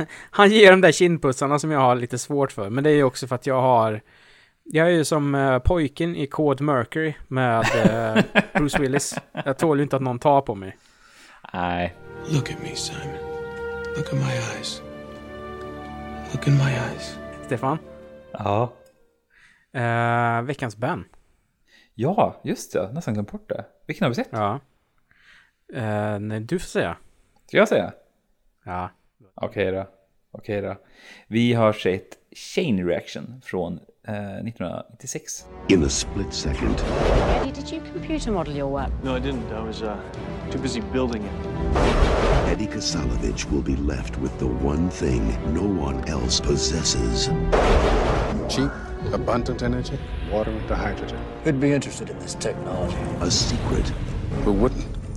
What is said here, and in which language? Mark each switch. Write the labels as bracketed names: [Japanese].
[Swedish] Han ger de där kindpussarna som jag har lite svårt för. Men det är ju också för att jag är ju som pojken i Code Mercury med Bruce Willis. Jag tål ju inte att någon tar på mig. Nej. [English] Look at me, Simon. Look at my eyes. Look in my eyes. [Swedish] Stefan? Ja. Veckans Ben. Ja, just det. Nästan glömt bort det. Vilken har vi sett? Ja. Nej, du får säga. Ska jag säga? Ja. Okej då. Vi har sett Chain Reaction från 1996. [English] In a split second. Eddie, did you computer model your work? No, I didn't. I was too busy building it. Eddie Kasalovich will be left with the one thing no one else possesses. Cheap, abundant energy, water into hydrogen. Who'd be interested in this technology? A secret. Who wouldn't?